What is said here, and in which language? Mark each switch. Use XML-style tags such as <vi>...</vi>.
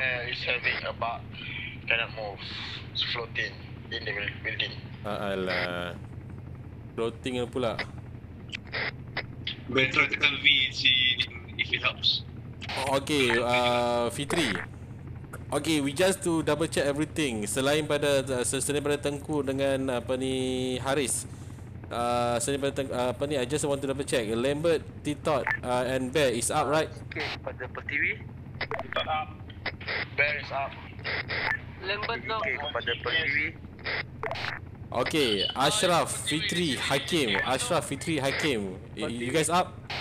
<en>Bear is having a bug, cannot move. It's floating in the building.</en> <ms>Floating pula.</ms> <en>Bear try to tell V and see if it helps. Okay, Fitri. Okay, we just to double check everything.</en> <ms>Selain pada Tengku dengan apa ni Haris.</ms> <en>I just want to double check. Lambert, T-Tot and Bear is up, right?</en> <ms>Okay, pada Pertiwi.</ms> <en>T-Tot up. Bear is up. Lambert no.</en> <ms>Okay, pada Pertiwi.</ms> <en>Okay, Ashraf, Fitri, Hakim. Ashraf, Fitri, Hakim. You guys up?</en>